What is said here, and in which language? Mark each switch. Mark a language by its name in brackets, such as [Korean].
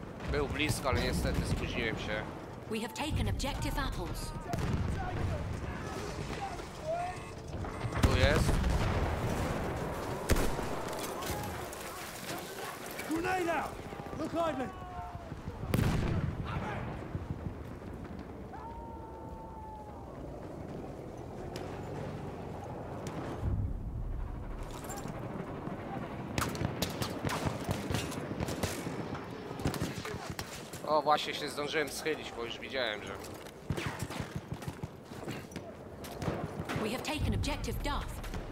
[Polish] Był blisko, ale niestety spóźniłem się. [English] We have taken objective apples. [Polish] Tu jest. [English] Grenade out! Look lively! [Polish] O, właśnie się zdążyłem schylić, bo już widziałem, że... [English] We have taken objective Duff.